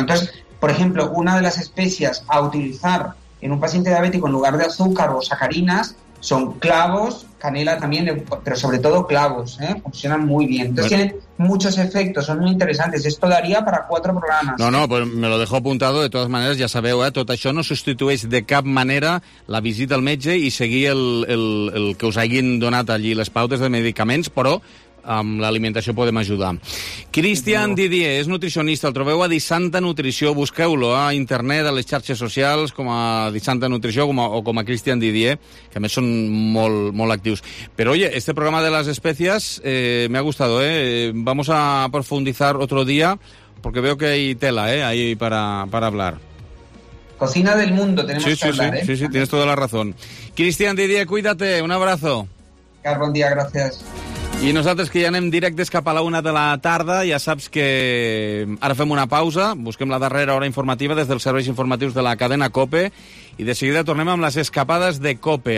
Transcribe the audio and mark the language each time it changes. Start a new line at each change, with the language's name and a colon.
Spanish: Entonces, por ejemplo, una de las especias a utilizar en un paciente diabético en lugar de azúcar o sacarinas son clavos, canela también, pero sobre todo clavos, funcionan muy bien. Entonces bueno, tienen muchos efectos, son muy interesantes. Esto daría para cuatro programas. No, pues me lo dejo apuntado. De todas maneras,
Catalan: ya sabeu, tot això no sustitueix de cap manera la visita al metge i seguir el que us hagin donat allí les pautes de medicaments, però amb l'alimentació podem ajudar. Cristian Didier és nutricionista, el trobeu a Disanta Nutrició, busqueu-lo a internet, a les xarxes socials, com a Disanta Nutrició o com a Cristian Didier, que a més són molt, molt actius.
Spanish: Però, oye, este programa de les especies me ha gustado, Vamos a profundizar otro día, porque veo que hay tela, ahí para hablar. Cocina del mundo, tenemos sí, que sí, hablar, sí, ¿eh? Sí, sí, tienes toda la razón. Cristian Didier, cuídate, un abrazo. Buen día, gracias.
Catalan: I nosaltres que ja anem directes cap a la una de la tarda, ja saps que ara fem una pausa, busquem la darrera hora informativa des dels serveis informatius de la cadena COPE i de seguida tornem amb les escapades de COPE.